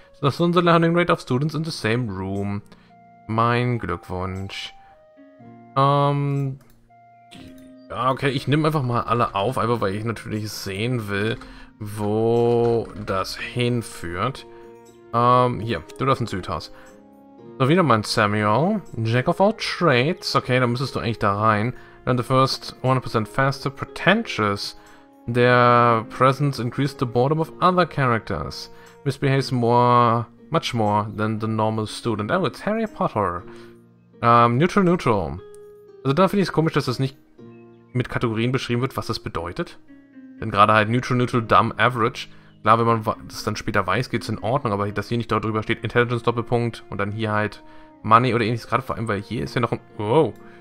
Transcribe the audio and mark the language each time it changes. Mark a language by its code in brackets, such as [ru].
[en] So that's the learning rate of students in the same room. [de] Mein Glückwunsch. Okay, ich nehme einfach mal alle auf, einfach weil ich natürlich sehen will, wo das hinführt. Hier, du darfst ins Südhaus. So, wieder mein Samuel. [en] Jack of all trades. [de] Okay, da müsstest du eigentlich da rein. [en] Learn the first 100% faster. Pretentious. Their presence increased the boredom of other characters. Misbehaves more, much more than the normal student. Oh, it's Harry Potter. Neutral. [de] Also da finde ich es komisch, dass das nicht mit Kategorien beschrieben wird, was das bedeutet. Denn gerade halt neutral, dumb, average. Klar, wenn man das dann später weiß, geht es in Ordnung, aber dass hier nicht darüber steht, Intelligence Doppelpunkt und dann hier halt Money oder ähnliches, gerade vor allem, weil hier ist ja noch ein. Wow.